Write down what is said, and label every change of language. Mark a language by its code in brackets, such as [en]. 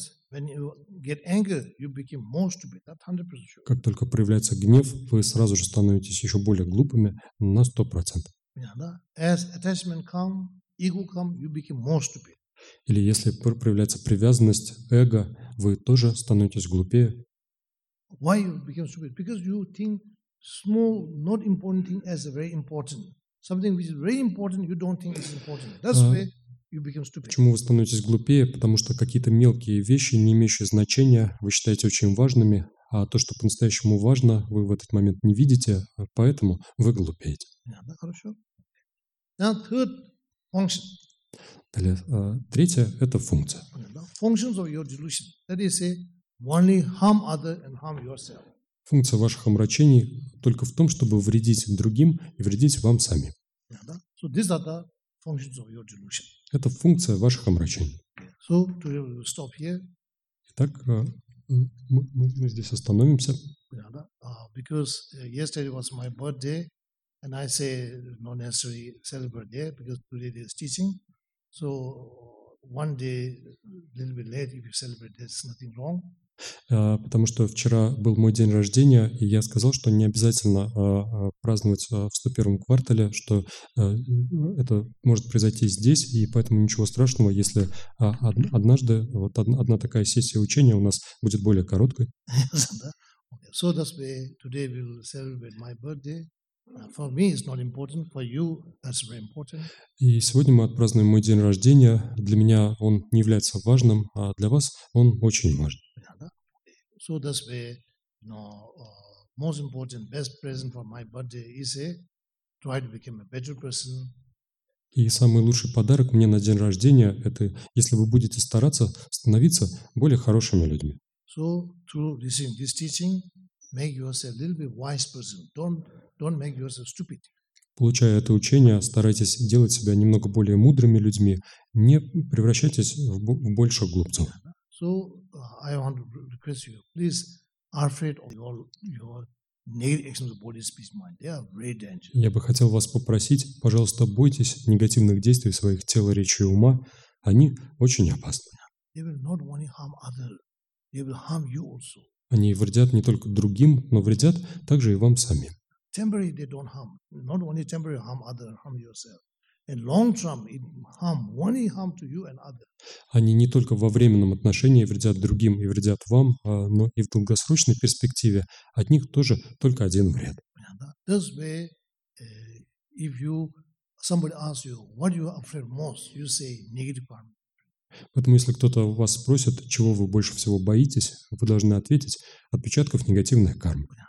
[en] When you get anger, you become more stupid. That's 100% sure. [ru] Как только проявляется гнев, вы сразу же становитесь еще более глупыми на 100%. [en] Yeah, да? As attachment comes, ego comes, you become more stupid. [ru] Или если проявляется привязанность, эго, вы тоже становитесь глупее. [en] Why you become stupid? Because you think small, not important thing as very important. Something which is very important, you don't think is important. That's why. You become stupid. [ru] Почему вы становитесь глупее? Потому что какие-то мелкие вещи, не имеющие значения, вы считаете очень важными, а то, что по-настоящему важно, вы в этот момент не видите, поэтому вы глупеете. [en] Yeah, [ru] да, хорошо. [en] Now, third function. [ru] Далее, третье – это функция. [en] Functions of your delusion. That is, only harm other and harm yourself. [ru] Функция ваших омрачений только в том, чтобы вредить другим и вредить вам самим. [en] Yeah, да? So these are the functions of your delusion. [ru] Это функция ваших омрачений. [en] So, we stop here. [ru] Итак, мы здесь остановимся. [en] Yeah, да. Because yesterday was my birthday, and I say not necessarily celebrate there, because today there is teaching. So, one day, a little bit late, if you celebrate, there's nothing wrong. [ru] Потому что вчера был мой день рождения, и я сказал, что не обязательно праздновать в 101-м квартале, что это может произойти здесь, и поэтому ничего страшного, если однажды вот одна такая сессия учения у нас будет более короткой. [en] So that's why today we will celebrate my birthday. For me it's not important, for you that's very important. [ru] И сегодня мы отпразднуем мой день рождения. Для меня он не является важным, а для вас он очень важен. [en] So that's why, you know, most important, best present for my birthday is a try to become a better person. [ru] И самый лучший подарок мне на день рождения – это если вы будете стараться становиться более хорошими людьми. [en] So through receiving this teaching, make yourself a little bit wise person. Don't make yourself stupid. [ru] Получая это учение, старайтесь делать себя немного более мудрыми людьми. Не превращайтесь в больше глупцов. [en] So I want to request you, please, are afraid of your negative actions of body, speech, mind. They are very dangerous. [ru] Я бы хотел вас попросить, пожалуйста, бойтесь негативных действий своих тела, речи и ума. Они очень опасны. [en] They will not only harm others. They will harm you also. [ru] Они вредят не только другим, но вредят также и вам самим. [en] Temporary they don't harm. Not only temporary harm others, harm yourself. And long term it harm, only harm to you and others. [ru] Они не только во временном отношении вредят другим и вредят вам, но и в долгосрочной перспективе от них тоже только один вред. [en] This way, if you somebody asks you, what you are afraid most, you say negative karma. [ru] Поэтому, если кто-то вас спросит, чего вы больше всего боитесь, вы должны ответить – отпечатков негативных карм.